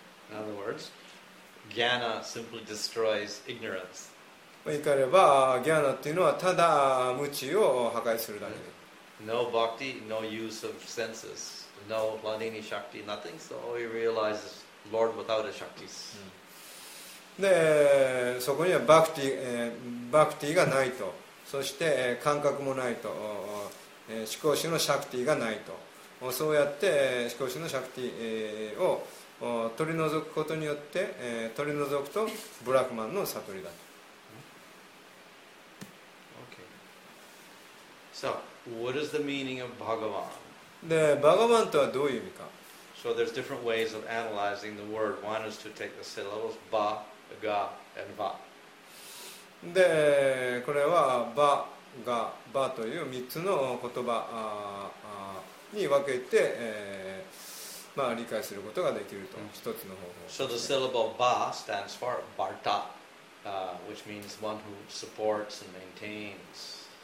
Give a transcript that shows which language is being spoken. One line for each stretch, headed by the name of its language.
English: In other words, jnana simply destroys ignorance.
Japanese: 言い換えればギャーナっていうのはただ無知を破壊するだけで。
English: No bhakti, no use of senses, no ladini shakti, nothing. So he realizes Lord without the shaktis.
Japanese: で、そこにはバクティがないと、そして感覚もないと、思考主のシャクティがないと、そうやって思考主のシャクティを取り除くことによって取り除くとブラフマンの悟りだと。
English: So, what is the meaning of Bhagavan?
Japanese: で、バガヴァンとはどういう意味か。
English: So there's different ways of analyzing the word. One is to take the syllables ba, ga, and va.
Japanese: で、これはバ、ガ、バという三つの言葉に分けて、まあ理解することができると、一つの方法。
English: So the syllable ba stands for barta, which means one who supports and maintains.